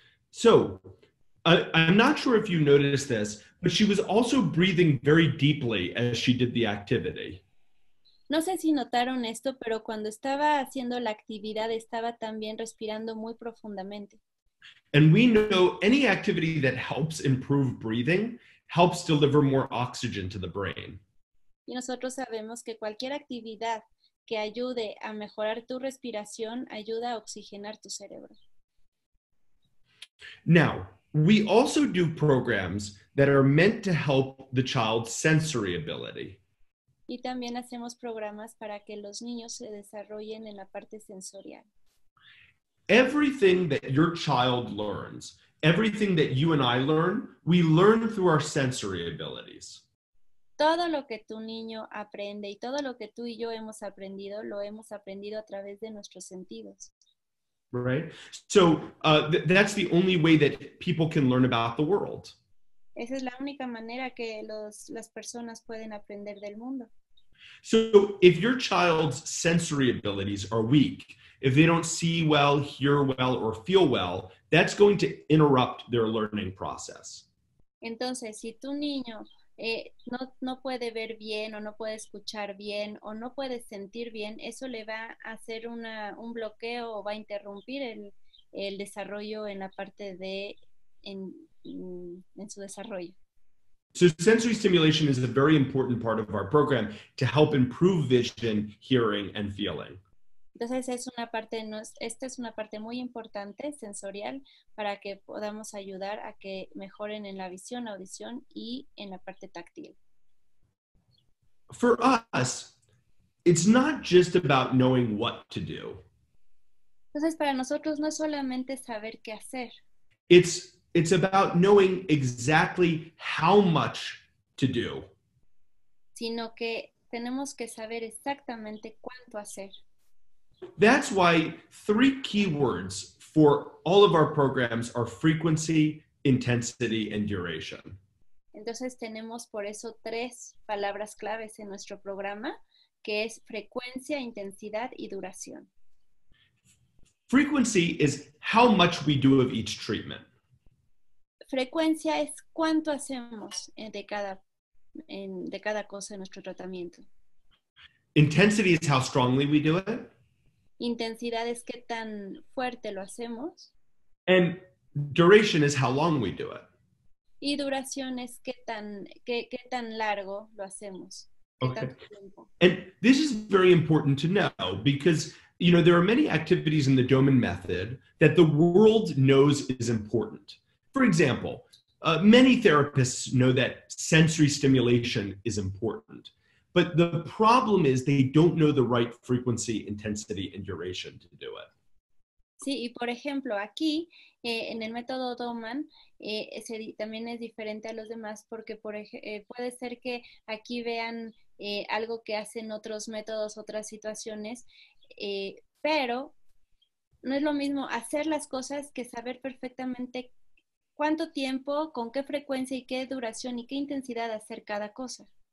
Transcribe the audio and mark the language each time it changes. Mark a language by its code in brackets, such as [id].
[en] So, I'm not sure if you noticed this, but she was also breathing very deeply as she did the activity. [es] No sé si notaron esto, pero cuando estaba haciendo la actividad estaba también respirando muy profundamente. [en] And we know any activity that helps improve breathing helps deliver more oxygen to the brain. [es] Y nosotros sabemos que cualquier actividad que ayude a mejorar tu respiración ayuda a oxigenar tu cerebro. [en] Now, we also do programs that are meant to help the child's sensory ability. [es] Y también hacemos programas para que los niños se desarrollen en la parte sensorial. [en] Everything that your child learns, everything that you and I learn, we learn through our sensory abilities. [es] Todo lo que tu niño aprende y todo lo que tú y yo hemos aprendido, lo hemos aprendido a través de nuestros sentidos. [en] Right? So that's the only way that people can learn about the world. [es] Esa es la única manera que las personas pueden aprender del mundo. [en] So if your child's sensory abilities are weak, if they don't see well, hear well, or feel well, that's going to interrupt their learning process. [es] Entonces, si tu niño no puede ver bien, o no puede escuchar bien, o no puede sentir bien, eso le va a hacer un bloqueo o va a interrumpir el desarrollo en la parte de en su desarrollo. [en] So sensory stimulation is a very important part of our program to help improve vision, hearing, and feeling. [es] Entonces esta es una parte muy importante sensorial para que podamos ayudar a que mejoren en la visión, audición y en la parte táctil. [en] For us, it's not just about knowing what to do. [es] Entonces para nosotros no es solamente saber qué hacer. [en] It's about knowing exactly how much to do. [es] Sino que tenemos que saber exactamente cuánto hacer. [en] That's why three keywords for all of our programs are frequency, intensity, and duration. [es] Entonces tenemos por eso tres palabras claves en nuestro programa, que es frecuencia, intensidad, y duración. [en] Frequency is how much we do of each treatment. [es] Frecuencia es cuánto hacemos de cada cosa en nuestro tratamiento. [en] Intensity is how strongly we do it. [es] Intensidad es qué tan fuerte lo hacemos. [en] And duration is how long we do it. [es] Y duración es qué tan largo lo hacemos. [en] Okay. And this is very important to know because, you know, there are many activities in the Doman method that the world knows is important. For example, many therapists know that sensory stimulation is important. But the problem is they don't know the right frequency, intensity, and duration to do it. [es] Sí, y por ejemplo, aquí, en el método Doman, también es diferente a los demás porque puede ser que aquí vean algo que hacen otros métodos, otras situaciones, pero no es lo mismo hacer las cosas que saber perfectamente cuánto tiempo, con qué frecuencia y qué duración y qué intensidad hacer cada cosa.